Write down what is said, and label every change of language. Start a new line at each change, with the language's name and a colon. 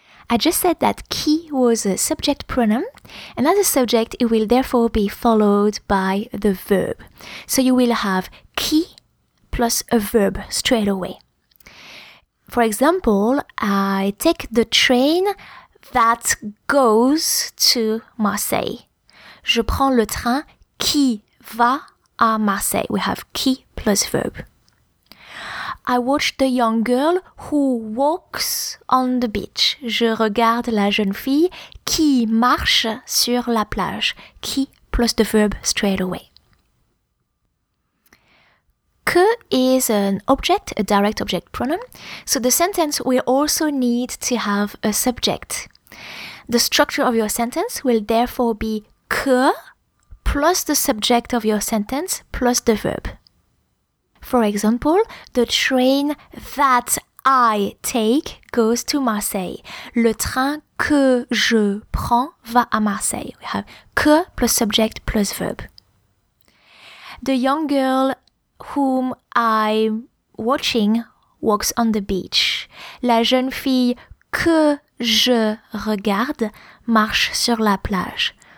English: I just said that qui was a subject pronoun, and as a subject, it will therefore be followed by the verb. So you will have qui plus a verb straight away. For example, I take the train that goes to Marseille.
French: Je prends le train qui va à Marseille.
English: We have qui plus verb. I watch the young girl who walks on the beach.
French: Je regarde la jeune fille qui marche sur la plage.
English: Qui plus the verb straight away. Que is an object, a direct object pronoun. So the sentence will also need to have a subject. The structure of your sentence will therefore be que plus the subject of your sentence plus the verb. For example, the train that I take goes to Marseille.
French: Le train que je prends va à Marseille.
English: We have que plus subject plus verb. The young girl whom I'm watching walks on the beach.
French: La jeune fille que je regarde marche sur la plage.